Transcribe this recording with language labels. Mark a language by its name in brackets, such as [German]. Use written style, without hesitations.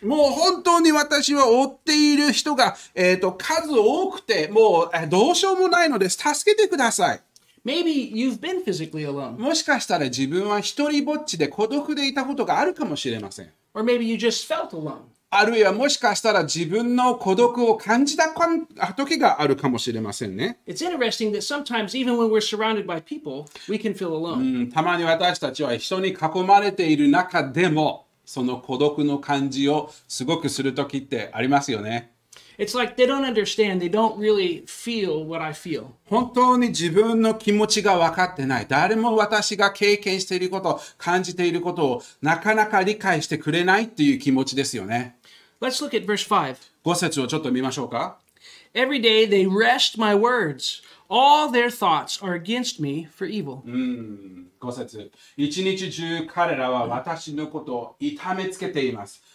[Japanese] もう本当に私は追っている人が、数多くて、もうどうしようもないのです。助けてください。 [English] Maybe you've been physically alone. [Japanese] もしかしたら自分は一人ぼっちで孤独でいたことがあるかもしれません。 [English] Or maybe you just felt alone. [Japanese] あるいはもしかしたら自分の孤独を感じた時があるかもしれませんね。 [English] It's interesting that sometimes even when we're surrounded by people, we can feel alone. [Japanese] たまに私たちは人に囲まれている中でも、その孤独の感じをすごくする時ってありますよね。 [English] It's like they don't understand. They don't really feel what I feel. [Japanese] 本当に自分の気持ちが分かってない。誰も私が経験していること、感じていることをなかなか理解してくれないっていう気持ちですよね。 [English] Let's look at verse 5. [Japanese] 五節をちょっと見ましょうか。 [English] Every day they rest my words. All their thoughts are against me for evil. [Japanese] 五節。一日中彼らは私のことを痛めつけています。